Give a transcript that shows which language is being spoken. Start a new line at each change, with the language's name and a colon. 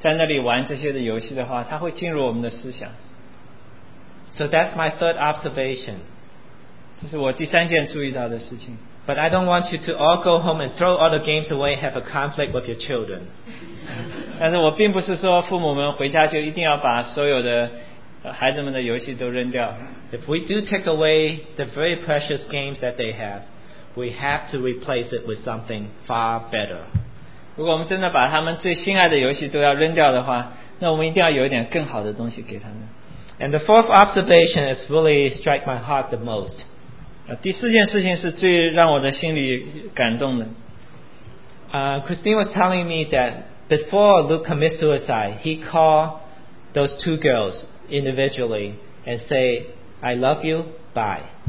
Chinese: 我想，如果我们整天整夜在那里玩这些的游戏的话，它会进入我们的思想。
English: So that's my third observation.
Chinese: 这是我第三件注意到的事情。
English: But I don't want you to all go home and throw all the games away and have a conflict with your children.
Chinese: 但是我并不是说父母们回家就一定要把所有的孩子们的游戏都扔掉。
English: If we do take away the very precious games that they have, we have to replace it with something far better.
Chinese: 如果我们真的把他们最心爱的游戏都要扔掉的话，那我们一定要有一点更好的东西给他们。
English: And the fourth observation is really strike my heart the most.
Chinese: 第四件事情是最让我的心里感动的。
English: Christine was telling me that before Luke commits suicide, he called those two girls individually and say, I love you, bye.